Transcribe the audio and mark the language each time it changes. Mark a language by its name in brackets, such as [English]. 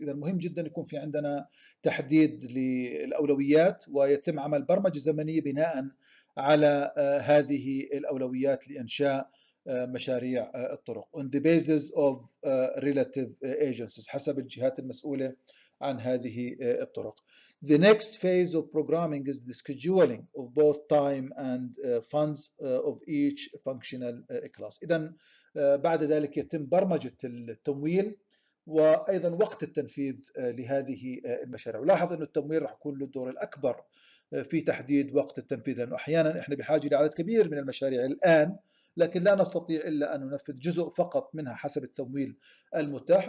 [Arabic] إذا مهم جدا يكون في عندنا تحديد للأولويات ويتم عمل برمجة زمنية بناء على هذه الأولويات لإنشاء مشاريع الطرق. [English] On the basis of relative agencies, [Arabic] حسب الجهات المسؤولة عن هذه الطرق. [English] The next phase of programming is the scheduling of both time and funds of each functional class. [Arabic] إذا بعد ذلك يتم برمجة التمويل وأيضا وقت التنفيذ لهذه المشاريع. ولاحظ أن التمويل راح يكون له الدور الأكبر في تحديد وقت التنفيذ، لأنه أحيانا إحنا بحاجة لعدد كبير من المشاريع الآن، لكن لا نستطيع إلا أن ننفذ جزء فقط منها حسب التمويل المتاح.